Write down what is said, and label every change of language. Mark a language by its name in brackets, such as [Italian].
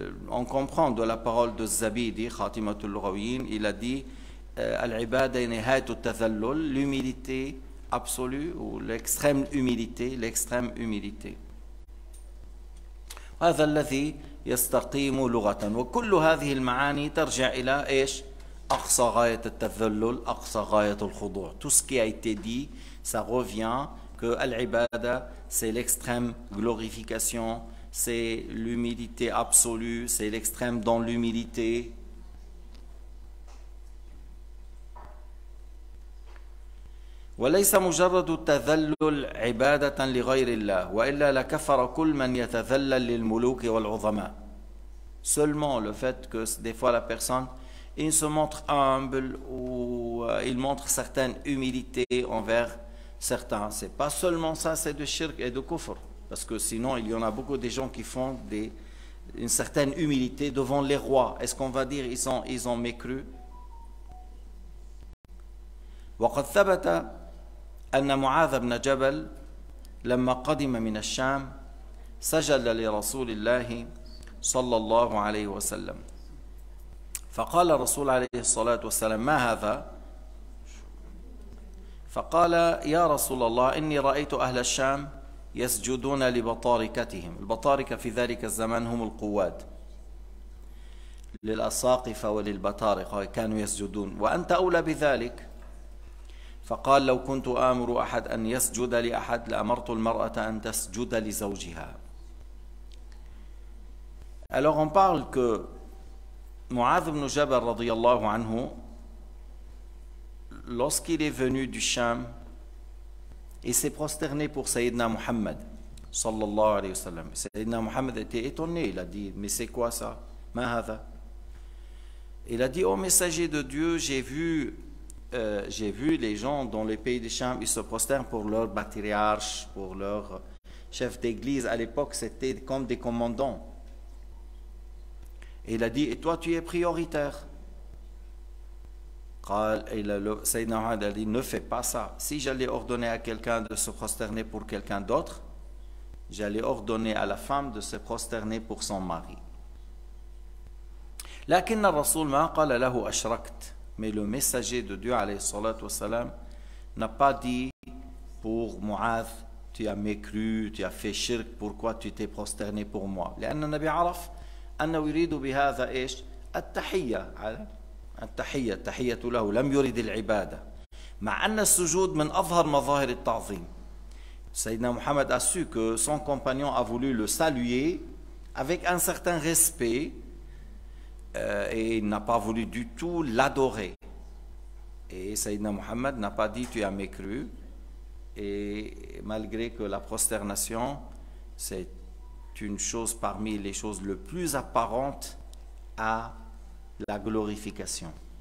[French] On comprend de la parole de Zabidi, [Arabic] خاتمة اللغويين, [French] il a dit [Arabic] العبادة نهاية التذلل, [French] l'humilité absolue ou l'extrême humilité, l'extrême humilité. [Arabic] هذا الذي يستقيم لغة, وكل هذه المعاني ترجع إلى إيش؟ أقصى غاية التذلل, أقصى غاية الخضوع. [French] Tout ce qui a été dit, ça revient que العبادة c'est l'extrême glorification, c'est l'humilité absolue, c'est l'extrême dans l'humilité. [Arabic] وليس مجرد التذلل عبادة لغير الله, وإلا لكفر كل من يتذلل للملوك والعظماء. [French] Seulement le fait que des fois la personne il se montre humble ou il montre certaines humilités envers certains. C'est pas seulement ça, c'est de shirk et de kufr. Parce que sinon, il y en a beaucoup de gens qui font une certaine humilité devant les rois. Est-ce qu'on va dire ils ont mécru? [Arabic] وقد ثبت أن معاذ بن جبل لما قدم من الشام سجد لرسول الله صلى الله عليه وسلم. فقال الرسول عليه الصلاة والسلام: ما هذا؟ فقال: يا رسول الله, إني رأيت أهل الشام يسجدون لبطاركتهم. البطاركة في ذلك الزمان هم القواد للأساقفة وللبطارقة, كانوا يسجدون, وأنت أولى بذلك. فقال: لو كنت آمر أحد أن يسجد لأحد لأمرت المرأة أن تسجد لزوجها. [French] Alors on parle que Mu'adh ibn Jabal radiyallahu anhu, lorsqu'il est venu du Sham, il s'est prosterné pour Sayyidina Muhammad sallallahu alayhi wa sallam. Sayyidina Muhammad était étonné, il a dit, mais c'est quoi ça? [Arabic] Mahada. [French] Il a dit, ô messager de Dieu, j'ai vu les gens dans les pays des Cham, ils se prosternent pour leur patriarche, pour leur chef d'église. À l'époque, c'était comme des commandants. Et il a dit, et toi, tu es prioritaire. Sayyidina Muhammad a dit, ne fais pas ça. Si j'allais ordonner à quelqu'un de se prosterner pour quelqu'un d'autre, j'allais ordonner à la femme de se prosterner pour son mari. [Arabic] لكن الرسول ما قال له أشركت. [French] Mais le messager de Dieu [Arabic] عليه الصلاة والسلام [French] n'a pas dit pour Mu'adh, tu as mécru, tu as fait shirk, pourquoi tu t'es prosterné pour moi. [Arabic] لأن النبي عرف أنه يريد بهذا إيش التحية على التحية التحية له لم يريد العبادة مع أن السجود من أظهر مظاهر التعظيم. [French] سيدنا محمد a su que son compagnon a voulu le saluer avec un certain respect. Et il n'a pas voulu du tout l'adorer. Et Sayyidina Muhammad n'a pas dit tu as mécru. Et malgré que la prosternation, c'est une chose parmi les choses les plus apparentes à la glorification.